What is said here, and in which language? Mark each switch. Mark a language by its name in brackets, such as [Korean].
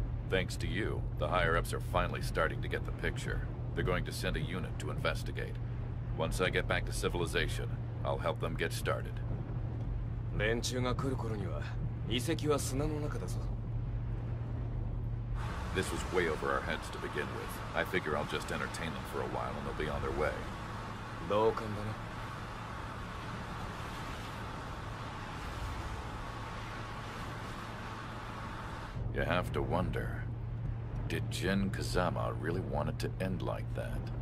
[English] Thanks to you, the higher-ups are finally starting to get the picture. They're going to send a unit to investigate. Once I get back to civilization, I'll help them get started. [Japanese] 連中が来る頃には、遺跡は砂の中だぞ。 [English] This was way over our heads to begin with. I figure I'll just entertain them for a while and they'll be on their way. [Japanese] 同感だな。 [English] You have to wonder, did Jin Kazama really want it to end like that?